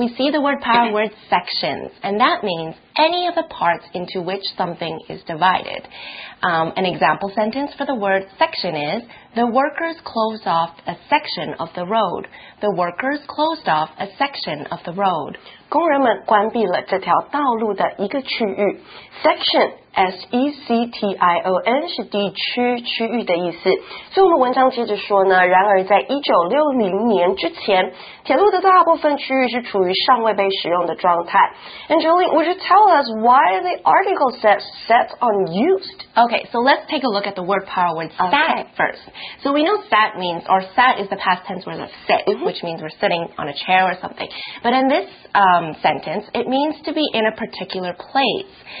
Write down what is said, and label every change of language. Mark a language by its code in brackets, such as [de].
[en] We see the word power word sections, and that means any of the parts into which something is divided. An example sentence for the word section is, the workers closed off a section of the road. The workers closed off a section of the road. [zh] 工人们关闭了这条道路的一个区域。 Section, S-E-C-T-I-O-N, 是地区、区域的意思。所以我们文章接着说呢，然而在1960年之前，铁路的大部分区域是处于尚未被使用的状态。 [en] And Julie, would you tell us why the article says set unused? Okay, so let's take a look at the word power word sat、 okay. first. So we know sat means, or sat is the past tense word of sit,、 mm-hmm. which means we're sitting on a chair or something. But in this sentence, it means to be in a particular place.